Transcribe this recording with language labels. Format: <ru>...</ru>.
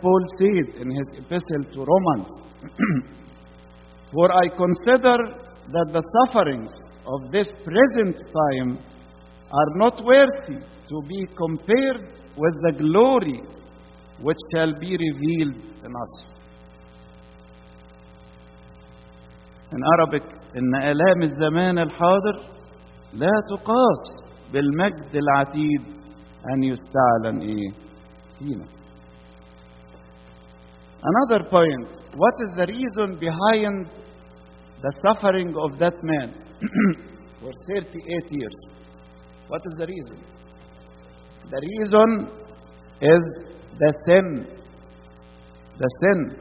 <en>Paul said in his epistle to Romans, "For I consider that the sufferings of this present time are not worthy to be compared with the glory which shall be revealed in us." In Arabic,</en> <ar>"إن آلام الزمان الحاضر لا تقاس بالمجد العتيد أن يستعلن إيه."</ar> <en>Another point, what is the reason behind the suffering of that man for 38 years? What is the reason? The reason is the sin. the sin.</en>